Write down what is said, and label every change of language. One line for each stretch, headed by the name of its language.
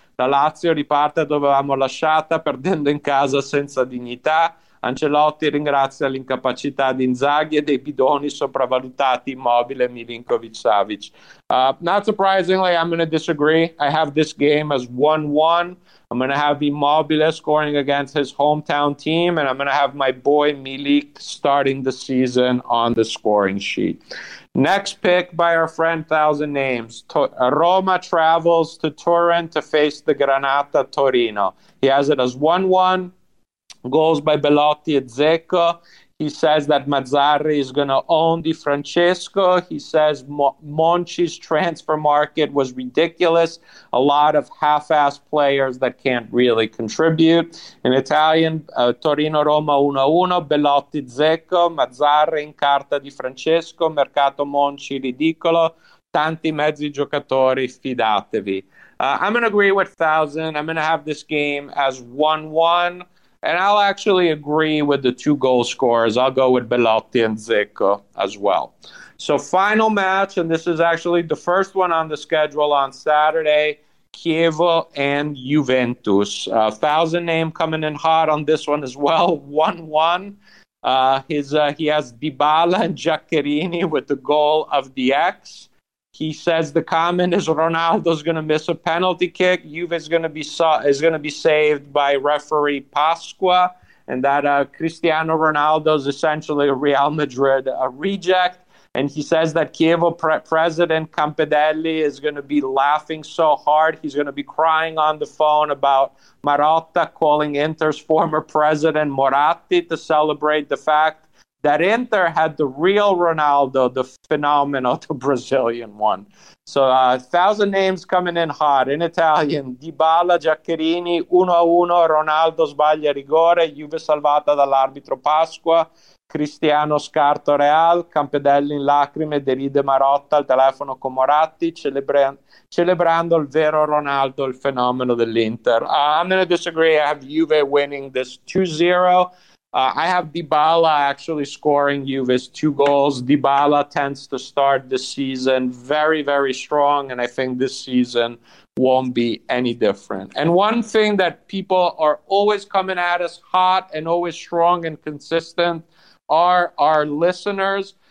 Italian: La Lazio riparte dove avevamo lasciata, perdendo in casa senza dignità. Ancelotti ringrazia l'incapacità di Inzaghi e dei bidoni sopravvalutati Immobile, Milinkovic-Savic.
English: Not surprisingly, I'm going to disagree. I have this game as 1-1. I'm going to have Immobile scoring against his hometown team, and I'm going to have my boy Milik starting the season on the scoring sheet. Next pick by our friend Thousand Names. Roma travels to Turin to face the Granata Torino. He has it as 1-1. Goals by Belotti and Zecco. He says that Mazzarri is going to own Di Francesco. He says Monchi's transfer market was ridiculous. A lot of half-assed players that can't really contribute. In Italian,
Italian: Torino-Roma 1-1, Belotti-Zecco, Mazzarri in carta Di Francesco, Mercato Monchi ridicolo, tanti mezzi giocatori, fidatevi.
English: I'm going to agree with Thousand. I'm going to have this game as 1-1. And I'll actually agree with the two goal scorers. I'll go with Belotti and Zecco as well. So final match, and this is actually the first one on the schedule on Saturday, Chievo and Juventus. Thousand Name coming in hot on this one as well, 1-1. He has Dybala and Giaccherini with the goal of the X. He says the comment is Ronaldo's going to miss a penalty kick. Juve is going to be saved by referee Pasqua, and that Cristiano Ronaldo is essentially a Real Madrid reject. And he says that Chievo president Campedelli is going to be laughing so hard. He's going to be crying on the phone about Marotta calling Inter's former president Moratti to celebrate the fact that Inter had the real Ronaldo, the phenomenal, the Brazilian one. So a Thousand Names coming in hot. In Italian,
Italian: Dybala, Giaccherini, 1-1, Ronaldo sbaglia rigore, Juve salvata dall'arbitro Pasqua, Cristiano scarto Real, Campedelli in lacrime, deride Marotta al telefono con Moratti, celebrando il vero Ronaldo, il fenomeno dell'Inter.
English: I'm going to disagree. I have Juve winning this 2-0. I have Dybala actually scoring Juve's two goals. Dybala tends to start the season very, very strong, and I think this season won't be any different. And one thing that people are always coming at us hot and always strong and consistent are our listeners.